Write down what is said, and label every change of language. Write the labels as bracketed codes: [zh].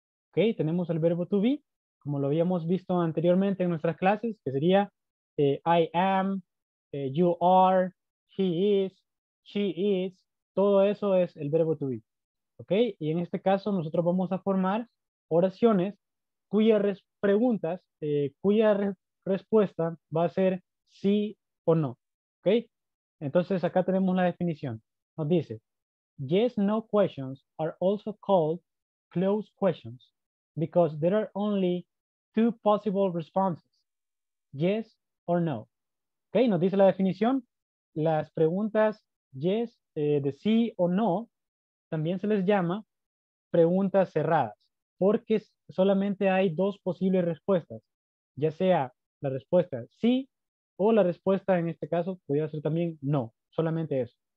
[es] Ok, tenemos el verbo to be, como lo habíamos visto anteriormente en nuestras clases, que sería [en] I am, you are, he is, she is. [es] Todo eso es el verbo to be. Ok, y en este caso nosotros vamos a formar oraciones cuya respuesta va a ser sí o no, ¿ok? Entonces acá tenemos la definición. Nos dice, [en] yes, no questions are also called closed questions because there are only two possible responses, yes or no. [es] ¿Ok? Nos dice la definición, las preguntas yes, de sí o no, también se les llama preguntas cerradas, porque solamente hay dos posibles respuestas, ya sea la respuesta sí o la respuesta en este caso pudiera ser también no, solamente eso.